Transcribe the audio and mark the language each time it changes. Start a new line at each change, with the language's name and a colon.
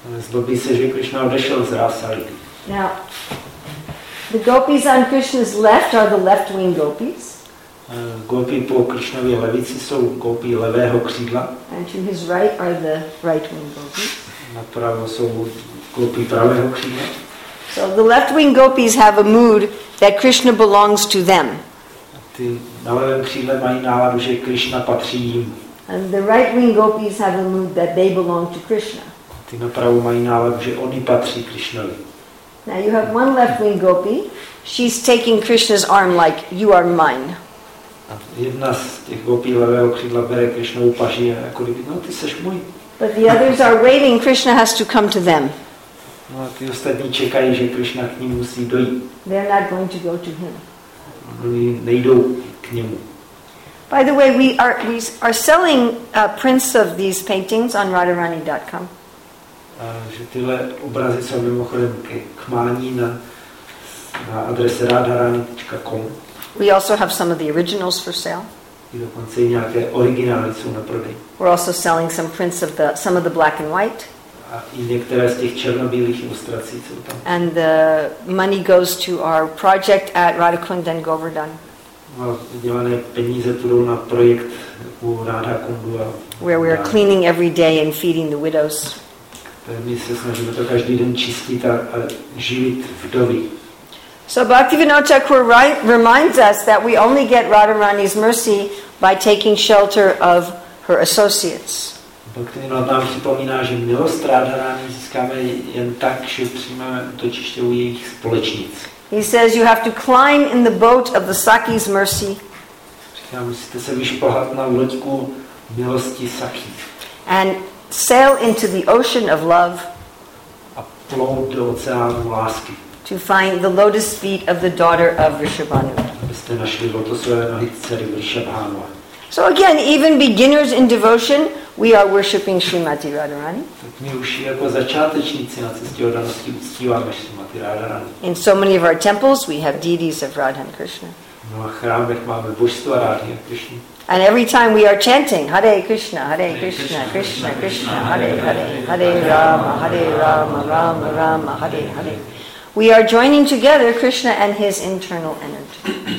Czech: Zlobí se, že Krishna odešel z Rasalily.
English: Now, the gopis on Krishna's left are the left-wing gopis.
Czech: Gopi po Krishnavě levici jsou gopi levého křídla.
English: And to his right are the right-wing gopis.
Czech: Napravo jsou gopi pravého křídla.
English: So the left-wing gopis have a mood that Krishna belongs to them.
Czech: Ty na levém křídle mají náladu, že Krishna patří jim.
English: And the right-wing gopis have a mood that they belong to Krishna.
Czech: ty na pravou mají náladu, že oni patří Krišnovi.
English: Now you have one left wing gopi. She's taking Krishna's arm like you are mine.
Czech: A jedna z těch gopí levého křídla bere Krišnovu paži a jako kdyby, no ty seš můj.
English: But the others are waiting. Krishna has to come to them.
Czech: No a ty ostatní čekají, že Krishna k ním musí dojít.
English: They're not going to go to him.
Czech: Oni nejdou k němu.
English: By the way, we are selling prints of these paintings on radharani.com.
Czech: Že tyhle obrazy jsou mimochodem k mání na adrese radharani.com.
English: We also have some of the originals for sale.
Czech: I dokonce i nějaké originály jsou na prodej.
English: We're also selling some prints of some of the black and white.
Czech: A i některé z těch černobílých ilustrací jsou tam.
English: And the money goes to our project at Radhakund and Govardhan.
Czech: Dělané peníze půjdou na projekt u Radha Kundu a
English: where we are cleaning every day and feeding the widows.
Czech: My se snažíme to každý den čistit a živit vdovy.
English: So Bhaktivinoda Thakur reminds us that we only get Radharani's mercy by taking shelter of her associates.
Czech: Bhaktivinoda nám připomíná, že milost Radharani získáme jen tak, že přijmeme útočiště u jejich společnic.
English: He says you have to climb in the boat of the Sakhi's mercy.
Czech: Říká, musíte se vyšplhat na loďku milosti Sakhi.
English: And sail into the ocean of love.
Czech: A plout do oceánu lásky.
English: To find the lotus feet of the daughter of Vrishabhanu.
Czech: Abyste našli lotosové nohy dcery Vrishabhanu.
English: So again, even beginners in devotion, we are worshipping Srimati Radharani.
Czech: Tak my už jako začátečníci na cestě odanosti uctíváme Srimati Radharani.
English: In so many of our temples, we have deities of Radha and Krishna.
Czech: No a chrámech máme božstva Radha a Krishna.
English: And every time we are chanting,
Sanskrit: Hare Krishna, Hare Krishna, Krishna Krishna, Krishna, Krishna Hare Hare, Hare Rama, Hare Rama, Rama Rama, Hare Hare.
English: We are joining together Krishna and his internal energy.